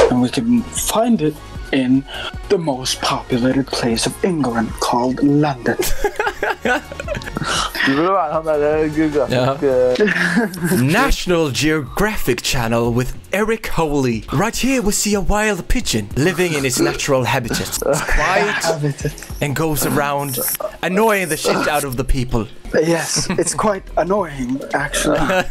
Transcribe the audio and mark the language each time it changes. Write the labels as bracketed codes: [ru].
[en] And we can find it in the most populated place of England called London. [no] Du burde være han der geografiske... [en] Yeah. National Geographic Channel with Eric Holy. Right here we see a wild pigeon living in its natural habitat. It's quiet and goes around annoying the shit out of the people. Yes, it's quite annoying, actually.